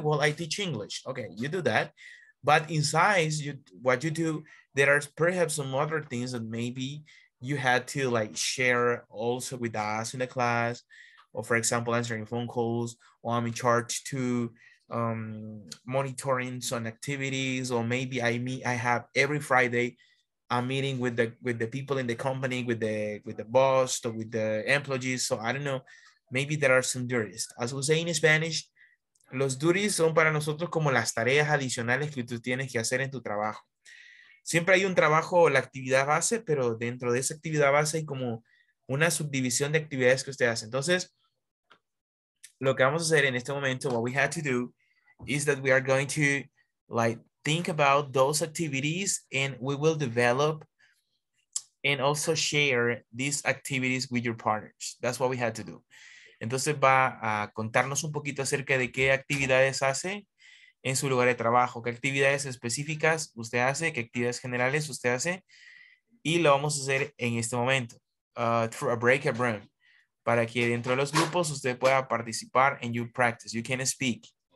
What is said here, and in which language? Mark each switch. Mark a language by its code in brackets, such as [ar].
[en] Well, I teach English. Okay, you do that. But in science, what you do, there are perhaps some other things that maybe you had to like share also with us in the class, or for example, answering phone calls, or I'm in charge to monitoring some activities, or maybe I have every Friday a meeting with the people in the company, with the boss, or with the employees. So I don't know, maybe there are some duties. As we say in Spanish, [es] los duties son para nosotros como las tareas adicionales que tú tienes que hacer en tu trabajo. Siempre hay un trabajo, la actividad base, pero dentro de esa actividad base hay como una subdivisión de actividades que usted hace. Entonces, lo que vamos a hacer en este momento, [en] what we had to do, is that we are going to like think about those activities and we will develop and also share these activities with your partners. That's what we had to do. [es] Entonces va a contarnos un poquito acerca de qué actividades hace en su lugar de trabajo, qué actividades específicas usted hace, qué actividades generales usted hace, y lo vamos a hacer en este momento, [en] through a breakout room, [es] para que dentro de los grupos usted pueda participar [en] and you practice, you can speak.